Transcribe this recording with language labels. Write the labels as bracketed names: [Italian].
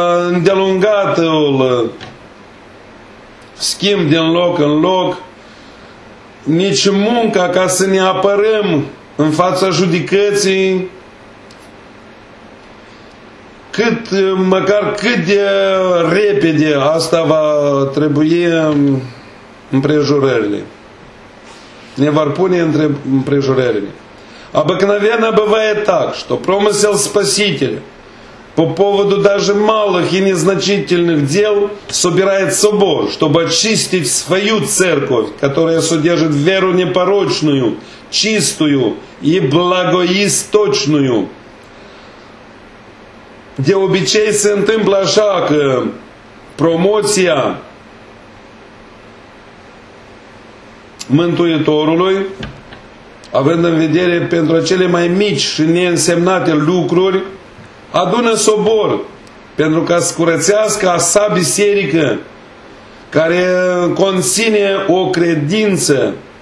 [Romanian] îndelungatul schimb din loc în loc, nici munca ca să ne apărăm în fața judecății, cât, măcar cât de repede asta va trebui împrejurările. Ne vor pune între împrejurările. [Russian] Обыкновенно бывает так, что промысел Спасителя по поводу даже малых и незначительных дел собирает собор, чтобы очистить свою церковь, которая содержит веру непорочную, чистую и благоисточную. [Romanian] De obicei se întâmplă așa, că promoția Mântuitorului, având în vedere pentru cele mai mici și neînsemnate lucruri, adună sobor pentru ca să curățească a sa biserică care conține o credință.